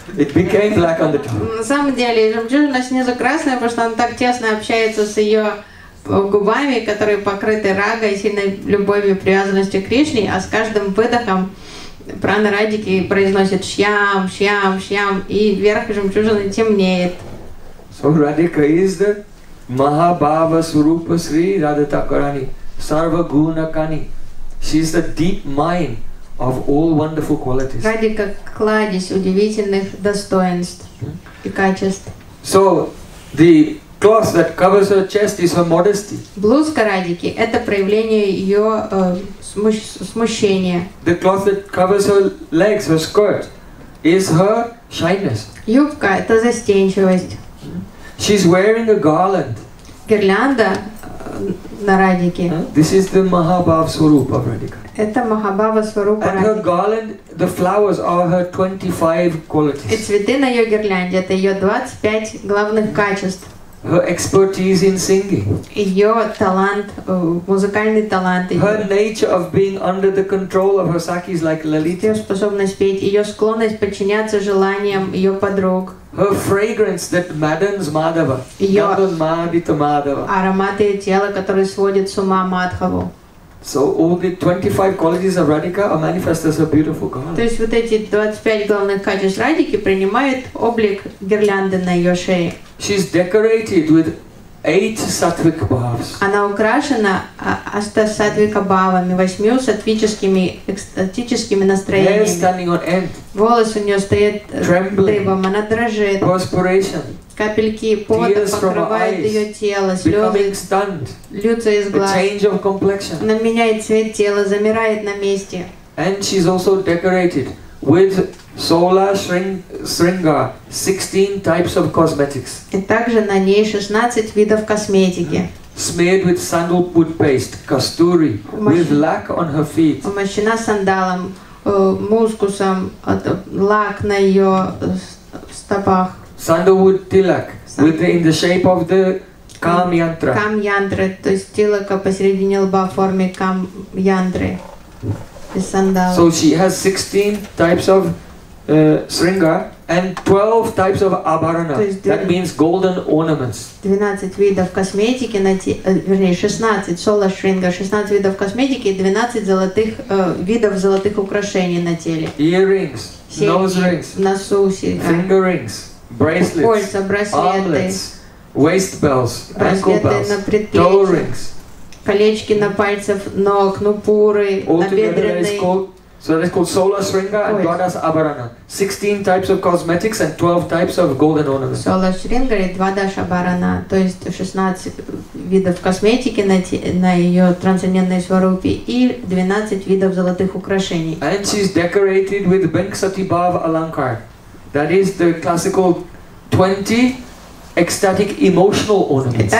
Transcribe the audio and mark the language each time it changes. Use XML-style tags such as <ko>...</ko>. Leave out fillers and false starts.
<en>It became black on the top.</en> <ru>На самом деле, жемчужина снизу красная, потому что она так тесно общается с ее губами, которые покрыты рагой, сильной любовью и привязанностью к Кришне, а с каждым выдохом прана радики произносит шьям, шьям, шьям, и верх жемчужины темнеет.</ru> <en>So Radhika is the</en> <sa>Mahabhava Surupa Sri Radha Thakurani Sarva Guna Kani.</sa> <en>She is the deep mind of all wonderful qualities.</en> <ru>Радика – кладезь удивительных достоинств и качеств.</ru> <en>So, the cloth that covers her chest is her modesty.</en> <ru>Блузка Радики – это проявление ее смущения.</ru> <en>The cloth that covers her legs, her skirt, is her shyness.</en> <ru>Юбка – это застенчивость.</ru> <en>She's wearing a garland.</en> <ru>Гирлянда на Радике.</ru> <en>This is the Mahabhava Swarup of Radhika.</en> <ru>Это Махабава Сварупа Радхи.</ru> <en>And her garland, the flowers are her 25 qualities.</en> <ru>И цветы на ее гирлянде – это ее 25 главных качеств.</ru> <en>Her expertise in singing.</en> <ru>Ее талант, музыкальный талант.</ru> <en>Her nature of being under the control of her sakis like Lalita.</en> <ru>Ее способность петь, ее склонность подчиняться желаниям ее подруг.</ru> <en>Her fragrance that maddens Madhava.</en> <ru>Ее ароматы тела, которые сводят с ума Мадхаву.</ru> <en>So all the 25 qualities of Radhika are manifest as a beautiful garland.</en> <ru>То есть вот эти 25 главных качеств Радики принимают облик гирлянды на ее шее.</ru> <en>She's decorated with 8 сатвик бхавс.</en> <ru>Она украшена аштасатвика бхавами, 8 сатвическими экстатическими настроениями.</ru> <en>Hair standing on end.</en> <ru>Волосы у нее стоят дыбом, она дрожит.</ru> <en>Perspiration.</en> <ru>Капельки пота покрывают ее тело, слезы льются из глаз.</ru> <en>A change of complexion.</en> <ru>Она меняет цвет тела, замирает на месте.</ru> <en>And she's also decorated with Sola Sringa, 16 types of cosmetics.</en> <ru>И также на ней 16 видов косметики.</ru> <en>Smeared with sandalwood paste, kasturi, with lac on her feet.</en> <ru>Умощена сандалом, мускусом, лак на ее стопах.</ru> <en>Sandalwood tilak, in the shape of the Kam Yantra.</en> <ru>Kam Yantra, то есть тилака посередине лба в форме Kam Yantra.</ru> <en>So she has 16 types of sringa and 12 types of abharana. That means golden ornaments.</en> <ru>12 видов косметики, вернее 16 сола шринга, 16 видов косметики и 12 золотых видов золотых украшений на теле.</ru> <en>Earrings, nose rings,</en> <ru>носу серьги,</ru> <en>finger rings, bracelets,</en> <ru>кольца, браслеты,</ru> <en>armlets, waist bells, ankle bells, toe rings.</en> <ru>Колечки на пальцах ног, нупуры, набедренные.</ru> <en>So it's called Sola Sringa and Goddess Abharana. 16 types of cosmetics and 12 types of golden ornaments.</en> <ru>Sola Sringa и Dvadash Abharana. То есть 16 видов косметики на ее трансцендентной сварупе и 12 видов золотых украшений.</ru> <en>And she's decorated with Venkasati Bhav Alankar. That is the classical 20 ecstatic emotional ornaments.</en>